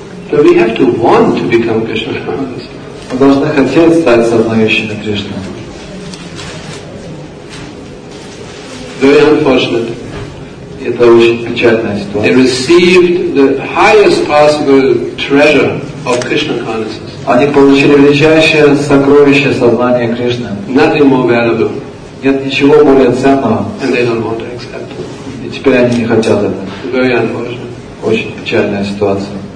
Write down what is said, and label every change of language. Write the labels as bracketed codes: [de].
[en] So we have to want to become Krishna conscious. [ru] Мы должны хотеть стать сознающими Кришны. [en] Very unfortunate. [ru] Это очень печальная ситуация. [en] They received the highest possible treasure of Krishna consciousness. [ru] Они получили величайшее сокровище сознания Кришны. [en] Nothing more valuable. [ru] Нет ничего более ценного. [en] And they don't want to accept it. [ru] И теперь они не хотят этого. [en] Very unfortunate. [ru] Очень печальная ситуация.